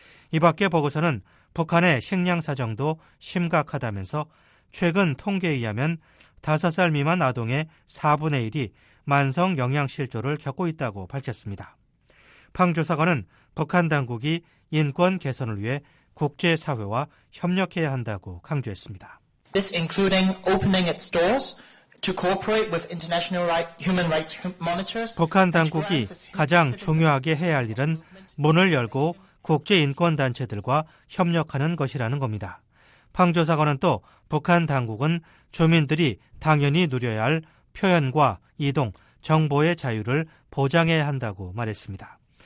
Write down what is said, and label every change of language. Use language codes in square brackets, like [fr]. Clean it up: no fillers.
[ko] 이 밖에 보고서는 북한의 식량 사정도 심각하다면서 최근 통계에 의하면 5살 미만 아동의 4분의 1이 만성 영양실조를 겪고 있다고 밝혔습니다. 팡 조사관은 북한 당국이 인권 개선을 위해 국제사회와 협력해야 한다고 강조했습니다. [en] This including opening its doors to cooperate with international human rights monitors. [ko] 북한 당국이 가장 중요하게 해야 할 일은 문을 열고 국제인권단체들과 협력하는 것이라는 겁니다. 팡 조사관은 또 북한 당국은 주민들이 당연히 누려야 할 표현과 이동, 정보의 자유를 보장해야 한다고 말했습니다.